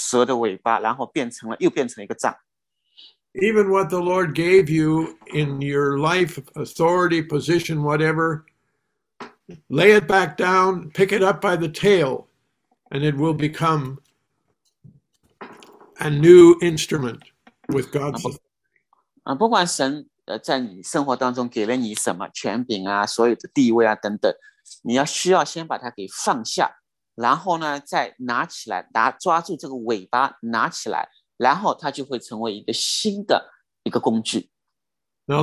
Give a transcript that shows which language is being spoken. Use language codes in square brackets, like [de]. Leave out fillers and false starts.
[zh] 这个第二个摩西来到，就是抓住了这个蛇的尾巴，然后变成了又变成一个杖。 [en] Even what the Lord gave you in your life, authority, position, whatever, lay it back down, pick it up by the tail, and it will become a new instrument with God's authority. [zh] 不管神在你生活当中给了你什么权柄啊，所有的地位啊等等，你要需要先把它给放下，然后呢再拿起来，抓住这个尾巴拿起来，然后它就会成为一个新的一个工具。 [en] Now